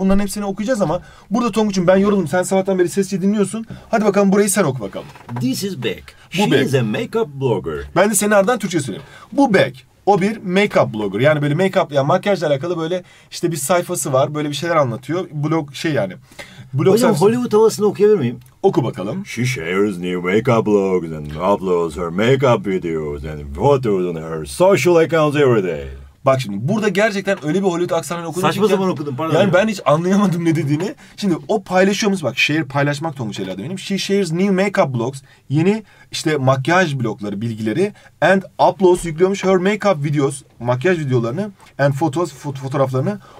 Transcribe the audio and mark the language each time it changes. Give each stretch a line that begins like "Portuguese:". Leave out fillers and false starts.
Turkish: Bunların hepsini okuyacağız ama burada Tonguç'um ben yoruldum. Sen sabahtan beri sesli dinliyorsun. Hadi bakalım burayı sen oku bakalım.
English: This is back. She's a makeup blogger.
Turkish: Ben de senin ardından Türkçe söyleyeyim. Bu back. O bir makeup blogger. Yani böyle makeup ya yani makyajla alakalı böyle işte bir sayfası var. Böyle bir şeyler anlatıyor. Blog şey yani. Blog sayfası. Hollywood havasını okuyabilir miyim? Oku bakalım.
English: She shares new makeup blogs and uploads her makeup videos and photos on her social accounts every day.
Turkish: Bak şimdi burada gerçekten öyle bir Hollywood aksanıyla okudum. Saçma zaman okudum pardon. Yani ben hiç anlayamadım ne dediğini. Şimdi o paylaşıyormuş. Bak share paylaşmak Tonguç Ali adı benim.
English: She shares new makeup blogs.
Turkish: Yeni işte makyaj blogları, bilgileri.
English: And uploads
Turkish: yüklüyormuş
English: her makeup videos.
Turkish: Makyaj videolarını
English: and photos
Turkish: fotoğraflarını.